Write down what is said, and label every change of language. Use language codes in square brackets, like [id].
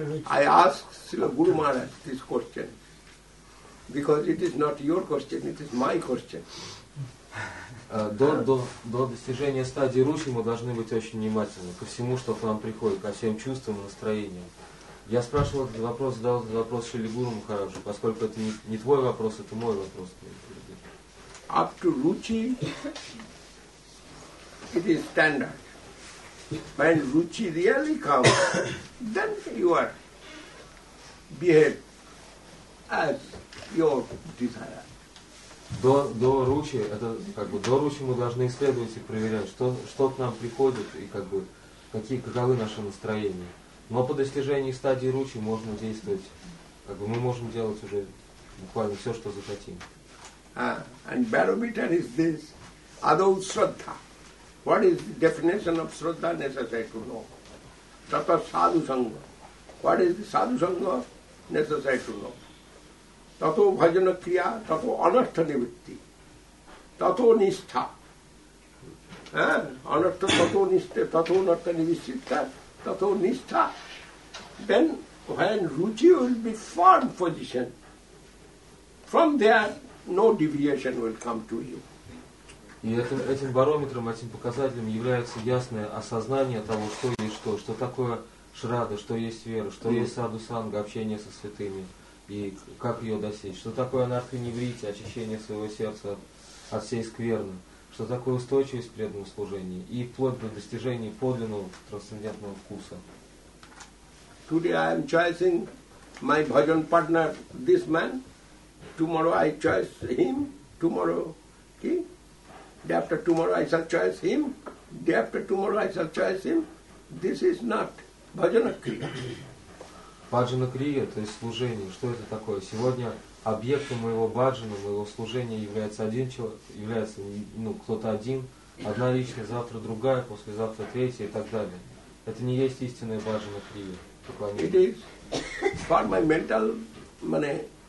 [en] I ask Srila Guru Maharaj this question because it is not your question, it is my question. [ru] До достижения стадии Ручи мы должны быть очень внимательны ко всему, что к нам приходит, ко всем чувствам и настроениям. Я спрашивал этот вопрос, задал этот вопрос Шили Гуру Махараджу, поскольку это не твой вопрос, это мой вопрос. [en] Up to Ruchi, it is standard. When Ruchi really comes, then you are behave as your desire. [ru] До Ручи, это как бы до Ручи мы должны исследовать и проверять, что к нам приходит и как бы каковы наши настроения. Но по достижении стадии Ручи можно действовать, как бы мы можем делать уже буквально все, что захотим. [en] And barometer is this, [sa] adau shraddha. [en] What is the definition of Shraddha necessary to know? [sa] Tata Sadhu Sangha. [en] What is the Sadhu Sangha necessary to know? [sa] Tato Bhajana Kriya, Tato Anastha Nivritti, Tato Nishtha. Anastha Tato Nishtha, Tato Anastha Nivishtha, Tato Nishtha. [en] Then when Ruchi will be firm position, from there no deviation will come to you. [ru] И этим барометром, этим показателем является ясное осознание того, что есть что, что такое шрада, что есть вера, что есть саду санга, общение со святыми, и как ее достичь, что такое анартха-неврити, очищение своего сердца от всей скверны, что такое устойчивость преданного служения и вплоть до достижения подлинного трансцендентного вкуса. [en] Today I am choosing my bhajan partner, this man. Tomorrow I choose him. Tomorrow, okay? Day after tomorrow I shall choose him. Day after tomorrow I shall choose him. This is not bhajana kriya. [ru] Bhajana kriya, то есть служение. Что это такое? Сегодня объектом моего баджана, моего служения является один человек, является кто-то один, одна личность, завтра другая, послезавтра третья и так далее. Это не есть истинная баджана крия. [en] It is for my mental money.